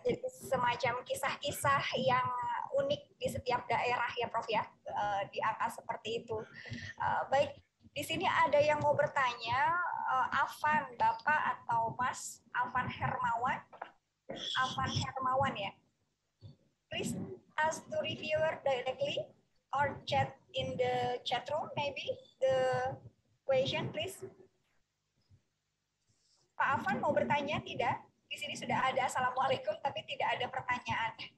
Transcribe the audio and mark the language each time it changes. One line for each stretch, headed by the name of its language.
Indonesian: Semacam kisah-kisah yang unik di setiap daerah ya, Prof ya. Di angka seperti itu. Baik, di sini ada yang mau bertanya, Afan, Bapak atau Mas Afan Hermawan? Afan Hermawan ya.
English: Please ask to reviewer directly or chat in the chat room maybe the question please.
Indonesian: Pak Afan mau bertanya tidak? Di sini sudah ada assalamualaikum tapi tidak ada pertanyaan.